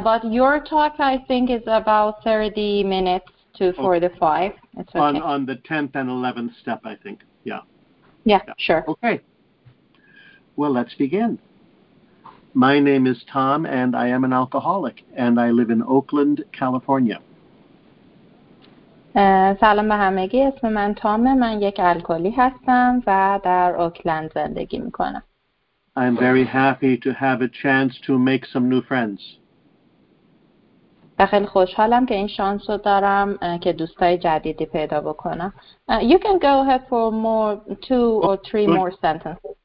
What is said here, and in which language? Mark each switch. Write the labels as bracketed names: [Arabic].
[English] But your talk, I think, is about 30 minutes to okay. 45. It's okay. On the 10th and 11th step, I think. Yeah, sure. Okay. Well, let's begin. My name is Tom, and I am an alcoholic, and I live in Oakland, California. [Persian] سلام به همگی، اسم من تامه، من یک الکلی هستم و در اوکلند زندگی میکنم. [English] I'm very happy to have a chance to make some new friends. [Persian] خیلی خوشحالم که این شانس رو دارم که دوستای جدیدی پیدا بکنم. [English] You can go ahead for two or three more sentences.